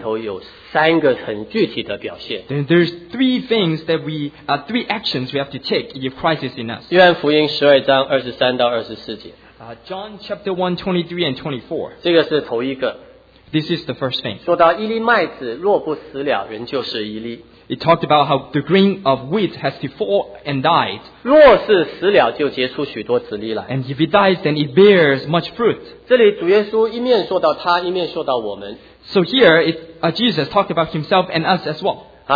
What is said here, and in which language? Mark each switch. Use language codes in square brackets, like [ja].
[zh] 下面我们要知道基督在我们心里头有三个很具体的表现。 [en] Then there's three things that we three actions we have to take if Christ is in us. [zh] 约翰福音12章23到24节。 [en] John chapter 1, 23 and 24. [zh] 这个是头一个。 [en] This is the first thing. [zh] 说到一粒麦子若不死了人就是一粒。 [en] It talked about how the grain of wheat has to fall and died. [zh] 若是死了就结出许多子粒来。 [en] And if it dies, then it bears much fruit. [zh] 这里主耶稣一面说到他，一面说到我们。 [en] So here, Jesus talked about himself and us as well.